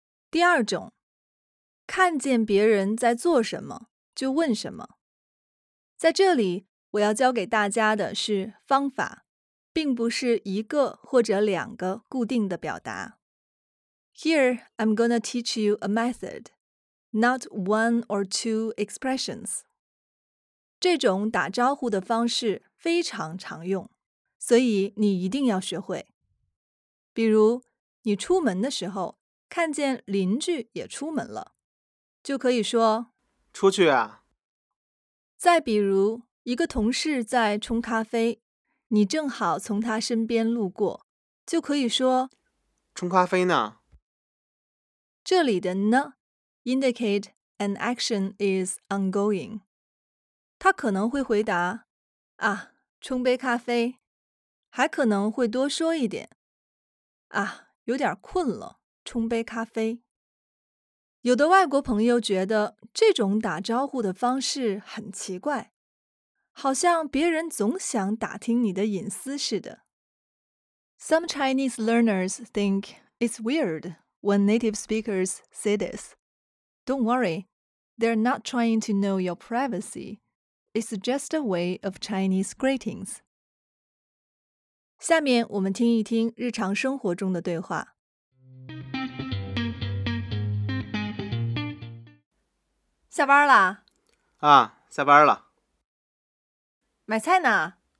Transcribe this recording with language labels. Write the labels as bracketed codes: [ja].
[zh] 第二种，看见别人在做什么就问什么。在这里我要教给大家的是方法，并不是一个或者两个固定的表达。 [en] Here I'm gonna teach you a method, not one or two expressions. [zh] 这种打招呼的方式非常常用，所以你一定要学会。比如，你出门的时候，看见邻居也出门了，就可以说，出去啊。再比如，一个同事在冲咖啡，你正好从他身边路过，就可以说冲咖啡呢。这里的呢 [en] indicate an action is ongoing， [zh] 他可能会回答啊，冲杯咖啡，还可能会多说一点啊，有点困了，冲杯咖啡。有的外国朋友觉得这种打招呼的方式很奇怪，好像别人总想打听你的隐私似的。 [en] Some Chinese learners think it's weird when native speakers say this. Don't worry, they're not trying to know your privacy. It's just a way of Chinese greetings. [zh] 下面我们听一听日常生活中的对话。下班了？啊，下班了。买菜呢？